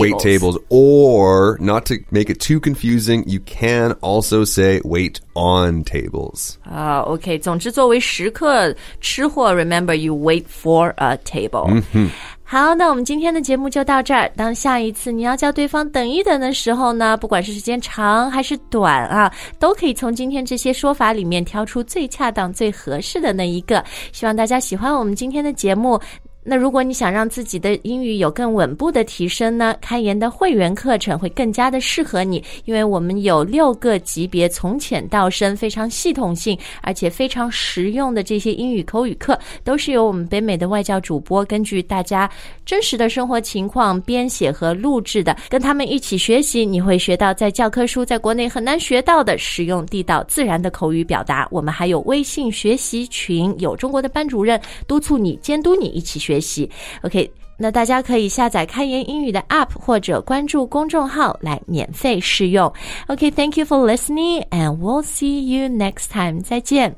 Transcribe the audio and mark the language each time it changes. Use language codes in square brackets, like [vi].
[en] Wait tables, or not to make it too confusing, you can also say wait on tables. [zh] Okay, 总之作为食客吃货 [en] remember you wait for a table. Mm-hmm. [zh] 好，那我们今天的节目就到这儿。当下一次你要叫对方等一等的时候呢，不管是时间长还是短啊，都可以从今天这些说法里面挑出最恰当、最合适的那一个。希望大家喜欢我们今天的节目。那如果你想让自己的英语有更稳步的提升呢，开言的会员课程会更加的适合你，因为我们有六个级别，从浅到深，非常系统性，而且非常实用的这些英语口语课，都是由我们北美的外教主播根据大家真实的生活情况编写和录制的，跟他们一起学习，你会学到在教科书在国内很难学到的实用地道自然的口语表达。我们还有微信学习群，有中国的班主任督促你监督你一起学习。 OK, 那大家可以下载开言英语的 APP 或者关注公众号来免费试用。 [en] OK, thank you for listening and we'll see you next time. [zh] 再见。